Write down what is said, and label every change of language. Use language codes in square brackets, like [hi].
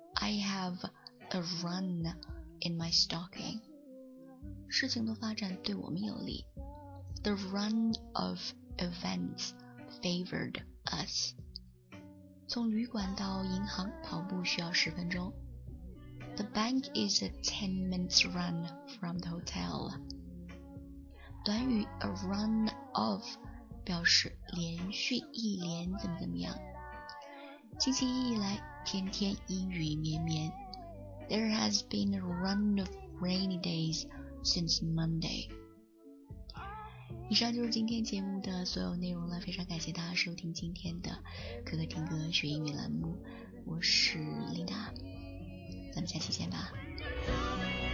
[en] I have a run in my stocking. [zh] 事情的发展对我们有利。 [en] The run of events favored us. [zh] 从旅馆到银行跑步需要十分钟。 [en] The bank is a 10-minute run from the hotel. [zh] 短语 a run of 表示连续一连怎么怎么样。星期一以来，天天阴雨绵绵。 [en] There has been a run of rainy days since Monday. [zh] 以上就是今天节目的所有内容了，非常感谢大家收听今天的可可听歌学英语栏目，我是琳达，咱们下期见吧。